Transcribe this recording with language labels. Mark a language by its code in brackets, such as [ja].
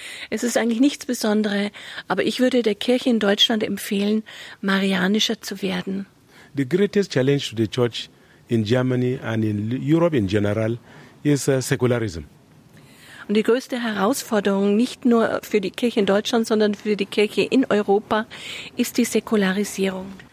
[de] Es ist eigentlich nichts Besonderes, aber ich würde der Kirche in Deutschland empfehlen, marianischer zu werden. [en] The greatest challenge to the church in Germany and in Europe in general is secularism. [de] Und die größte Herausforderung, nicht nur für die Kirche in Deutschland, sondern für die Kirche in Europa, ist die Säkularisierung.